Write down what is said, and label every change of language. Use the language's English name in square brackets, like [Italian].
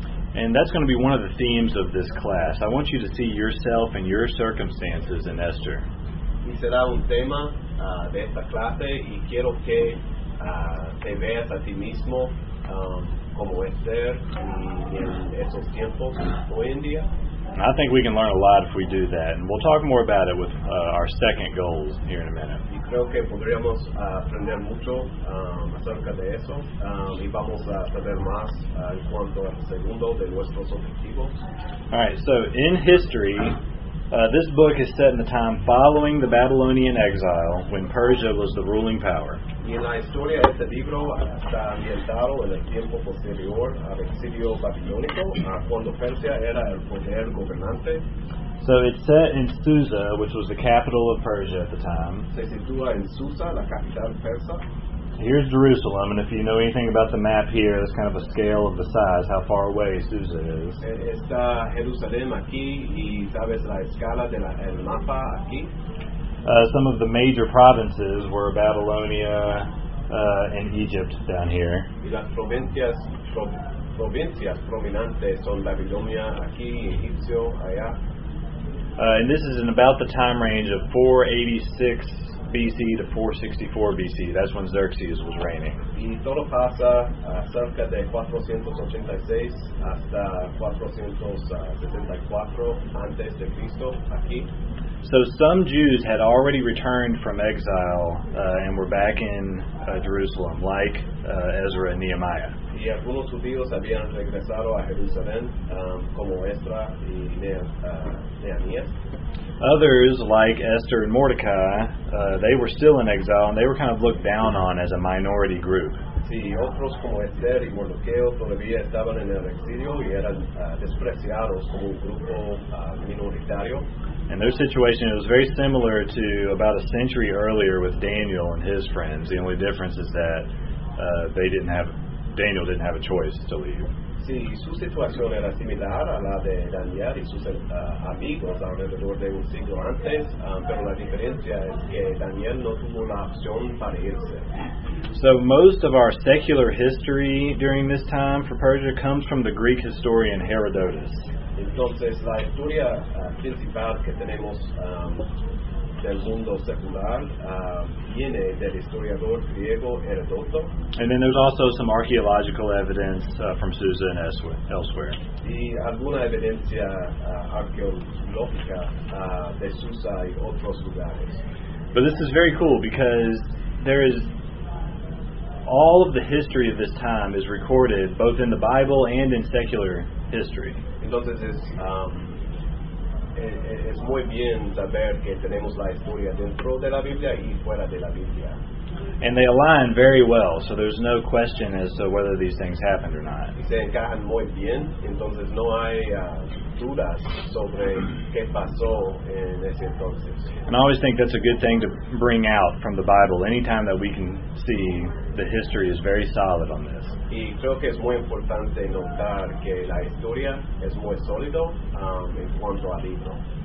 [English] And that's going to be one of the themes of this class. I want you to see yourself and your circumstances in Esther. [Spanish] Y será un tema de esta clase y quiero que te veas a ti mismo como Esther y en esos tiempos hoy en día. [English] And I think we can learn a lot if we do that. And we'll talk more about it with our second goals here in a minute. [Spanish] Y creo que podríamos aprender mucho acerca de eso. Y vamos a saber más en cuanto al segundo de nuestros objetivos. [English] All right, so in history, this book is set in the time following the Babylonian exile when Persia was the ruling power. [Spanish] Y en la historia de este libro está ambientado en el tiempo posterior al exilio babilónico, cuando Persia era el poder gobernante. [English] So it's set in Susa, which was the capital of Persia at the time. [Spanish] Se sitúa en Susa, la capital persa. [English] Here's Jerusalem, and if you know anything about the map here, that's kind of a scale of the size, how far away Susa is. [Spanish] Está Jerusalén aquí, y sabes la escala del mapa aquí. [English] Some of the major provinces were Babylonia and Egypt down here. [Spanish] Y las provincias, provincias prominentes son Babilonia aquí, Egipcio allá. [English] And this is in about the time range of 486 BC to 464 BC. That's when Xerxes was reigning. [Spanish] Y todo pasa cerca de 486 hasta 464 antes de Cristo aquí. [English] So some Jews had already returned from exile and were back in Jerusalem, like Ezra and Nehemiah. [Spanish] Y algunos judíos habían regresado a Jerusalén, como Ezra y Nehemías. [English] Others, like Esther and Mordecai, they were still in exile and they were kind of looked down on as a minority group. [Spanish] Sí, otros como Esther y Mordecai todavía estaban en el exilio y eran despreciados como un grupo minoritario. [English] And their situation, it was very similar to about a century earlier with Daniel and his friends. The only difference is that Daniel didn't have a choice to leave. [Spanish] Sí, su situación era similar a la de Daniel y sus amigos alrededor de un siglo antes, pero la diferencia es que Daniel no tuvo la opción para irse. [English] So most of our secular history during this time for Persia comes from the Greek historian Herodotus. [Spanish] Entonces, la historia principal que tenemos del mundo secular viene del historiador griego Herodoto. [English] And then there's also some archaeological evidence from Susa and elsewhere. [Spanish] Y alguna evidencia arqueológica de Susa y otros lugares. [English] But this is very cool because there is all of the history of this time is recorded both in the Bible and in secular history. [Spanish] Entonces es muy bien saber que tenemos la historia dentro de la Biblia y fuera de la Biblia. [English] And they align very well, so there's no question as to whether these things happened or not. [Spanish] Y se encajan muy bien, entonces no hay dudas sobre qué pasó en ese entonces. [English] And I always think that's a good thing to bring out from the Bible, anytime that we can see the history is very solid on this. [Spanish] Y creo que es muy importante notar que la historia es muy sólido en cuanto al libro.